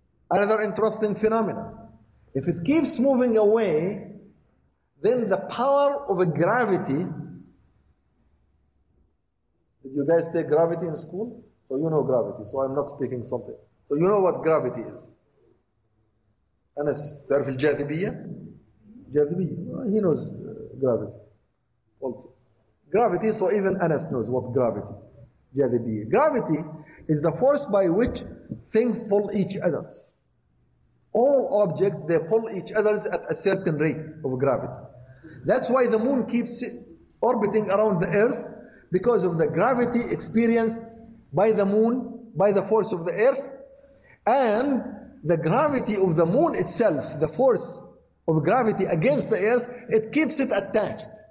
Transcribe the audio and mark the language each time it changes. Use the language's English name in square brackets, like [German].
[English] Another interesting phenomenon. If it keeps moving away, then the power of a gravity. Did you guys take gravity in school? So you know gravity. So I'm not speaking something. So you know what gravity is. [Arabic] Anas, تعرف الجاذبية؟ جاذبية. [English] He knows gravity. Also, gravity. So even Anas knows what gravity. [Arabic] جاذبية. [English] Gravity is the force by which things pull each other. All objects, they pull each other at a certain rate of gravity. That's why the moon keeps orbiting around the earth, because of the gravity experienced by the moon, by the force of the earth, and the gravity of the moon itself, the force of gravity against the earth, it keeps it attached.